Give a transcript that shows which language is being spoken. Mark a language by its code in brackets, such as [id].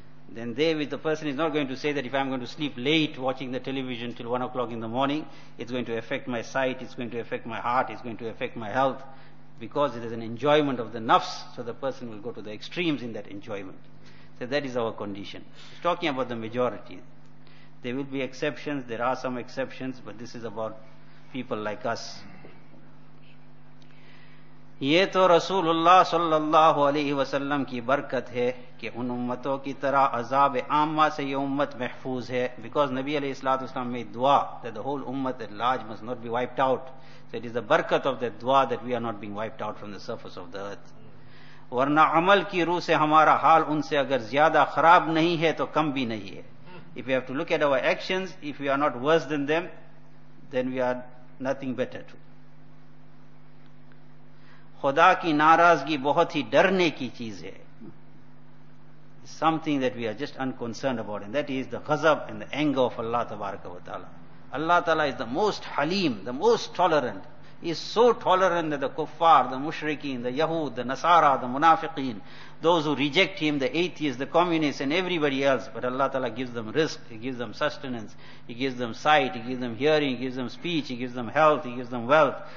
[en] Then there with the person is not going to say that if I'm going to sleep late watching the television till 1 o'clock in the morning, it's going to affect my sight, it's going to affect my heart, it's going to affect my health. Because it is an enjoyment of the nafs, so the person will go to the extremes in that enjoyment. So that is our condition. He's talking about the majority. There will be exceptions, there are some exceptions, but this is about people like us. [ur] یہ تو رسول اللہ صلی اللہ علیہ وسلم کی برکت ہے کہ ان امتوں کی طرح عذاب عامہ سے یہ امت محفوظ ہے. [en] Because نبی علیہ الصلوۃ والسلام made دعا that the whole ummah at large must not be wiped out. So it is the برکت of that دعا that we are not being wiped out from the surface of the earth. [ur] ورنہ عمل کی روح سے ہمارا حال ان سے اگر زیادہ خراب نہیں ہے تو کم بھی نہیں ہے. [en] If we have to look at our actions, if we are not worse than them, then we are nothing better too. [ur] خدا کی ناراضگی بہت ہی ڈرنے کی چیز ہے. [en] Something that we are just unconcerned about, and that is the ghazab and the anger of Allah tabaraka wa ta'ala. Allah ta'ala is the most haleem, the most tolerant. He is so tolerant that the kuffar, the mushrikeen, the yahood, the nasara, the munafiqeen, those who reject him, the atheists, the communists and everybody else, but Allah ta'ala gives them rizq, he gives them sustenance, he gives them sight, he gives them hearing, he gives them speech, he gives them health, he gives them wealth.